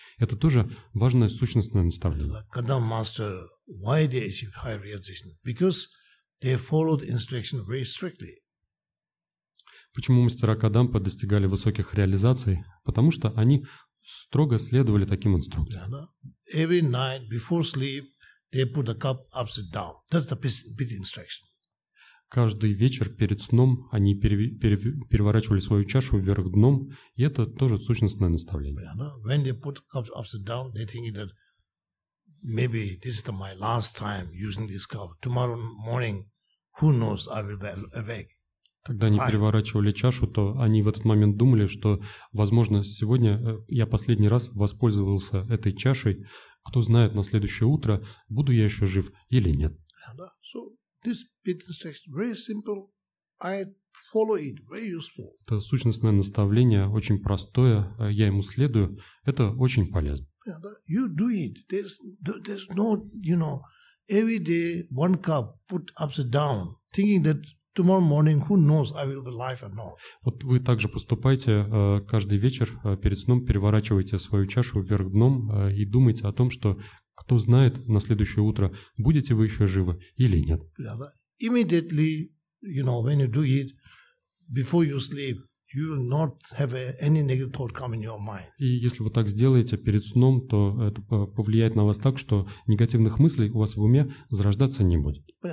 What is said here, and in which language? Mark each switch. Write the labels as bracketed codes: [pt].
[ru] Это тоже важное сущностное наставление. Когда мастер, [en] why they achieve high realization? Because they followed instruction very strictly. [ru] Почему мастера Кадампа достигали высоких реализаций? Потому что они строго следовали таким инструкциям. [en] Yeah, yeah. Every night before sleep, they put the cup upside down. That's the pit instruction. [ru] Каждый вечер перед сном они переворачивали свою чашу вверх дном, и это тоже сущностное наставление. [en] When they put cups upside down, they think that maybe this is my last time using this cup. Tomorrow morning, who knows, I will be awake. [ru] Когда они переворачивали чашу, то они в этот момент думали, что, возможно, сегодня я последний раз воспользовался этой чашей. Кто знает, на следующее утро, буду я еще жив или нет. [en] This pit instruction is very simple. I follow it. Very useful. [ru] Это сущностное наставление очень простое. Я ему следую. Это очень полезно. [en] Yeah, you do it. There's no, you know, every day one cup put upside down, thinking that tomorrow morning who knows I will be alive or not. [ru] Вот вы также поступаете каждый вечер перед сном переворачиваете свою чашу вверх дном и думаете о том, что кто знает, на следующее утро, будете вы еще живы или нет. [en] Immediately, you know, when you do it, before you sleep, you will not have any negative thought come in your mind. [ru] И если вы так сделаете перед сном, то это повлияет на вас так, что негативных мыслей у вас в уме зарождаться не будет.